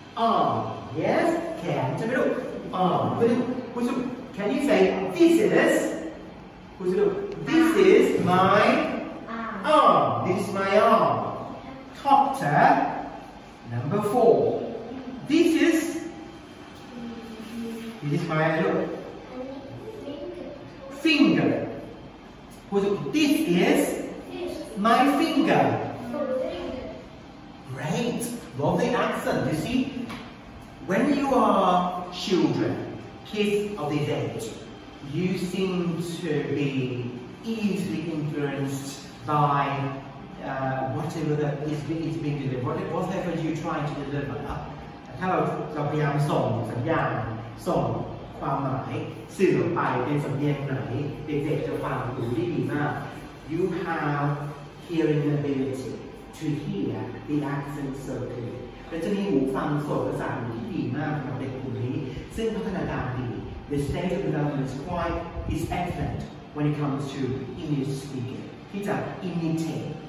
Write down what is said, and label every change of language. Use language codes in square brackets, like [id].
[en] arm yes can [th] จะไม่รู้ [en] arm [th] ไม่รู้คุณจะ [en] can you say this is [th] คุณจะรู้ [en] this is my arm this is my arm top tap number four this is my finger คุณจะรู้ this is my fingerGreat! Love the accent, you see? When you are children, kids of this age, you seem to be easily influenced by whatever that is being delivered, whatever you're trying to deliver. [th] ถ้าเราพยายามส่งสัญญาณส่งความหมายสื่อไปเป็นสำเนียงไหนเด็กจะฟังดีมาก [en] You have hearing abilityto hear the accent so clearly [th] และจะมีหูฟังส่วนภาษาที่ดีมากของเด็กคนนี้ซึ่งพัฒนาการดี [en] the state of development is quite is excellent when it comes to English speaking [th] ที่จะ imitate